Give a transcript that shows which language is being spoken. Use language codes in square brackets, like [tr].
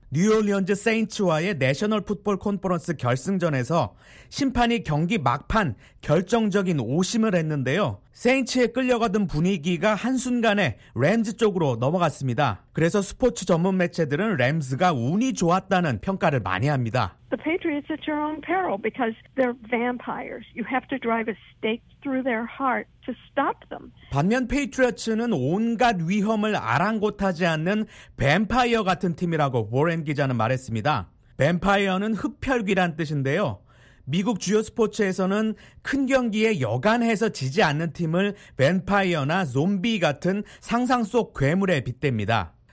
[ko] 뉴올리언즈 세인츠와의 내셔널 풋볼 콘퍼런스 결승전에서 심판이 경기 막판 결정적인 오심을 했는데요. 세인츠에 끌려가던 분위기가 한순간에 램즈 쪽으로 넘어갔습니다. 그래서 스포츠 전문 매체들은 램즈가 운이 좋았다는 평가를 많이 합니다. [en] The Patriots at your own peril because they're vampires. You have to drive a stake through their heart to stop them. [ko] 반면 페이트리어츠는 온갖 위험을 아랑곳하지 않는 뱀파이어 같은 팀이라고 보렌 기자는 말했습니다. 뱀파이어는 흡혈귀란 뜻인데요. 미국 주요 스포츠에서는 큰 경기에 여간해서 지지 않는 팀을 뱀파이어나 좀비 같은 상상 속 괴물에 빗댑니다.